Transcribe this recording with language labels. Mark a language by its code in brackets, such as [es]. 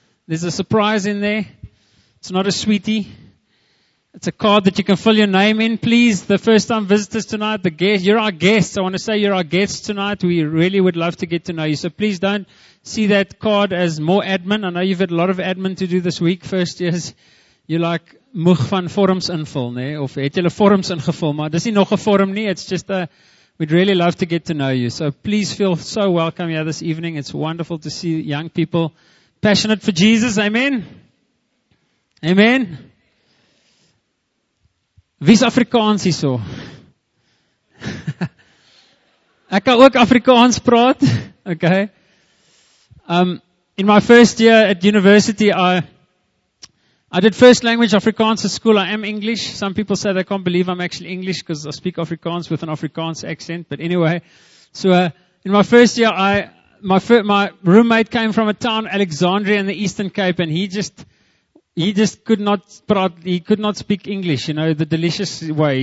[en] There's a surprise in there. It's not a sweetie. It's a card that you can fill your name in, please. The first time visitors tonight, the guests, you're our guests. I want to say you're our guests tonight. We really would love to get to know you. So please don't see that card as more admin. I know you've had a lot of admin to do this week. First years, you're like, [af] moeg van forums invul, nee? Of het jy forums ingevul, maar dis nie nog 'n forum nie. [en] It's just a, we'd really love to get to know you. So please feel so welcome here this evening. It's wonderful to see young people passionate for Jesus. Amen. Amen. [af] Wie is Afrikaans hierso? Ek kan ook Afrikaans praat. [en] Okay. In my first year at university, I did first language Afrikaans at school. I am English. Some people say they can't believe I'm actually English because I speak Afrikaans with an Afrikaans accent. But anyway, so in my first year, my roommate came from a town, Alexandria, in the Eastern Cape, and he could not speak English, you know, the delicious way.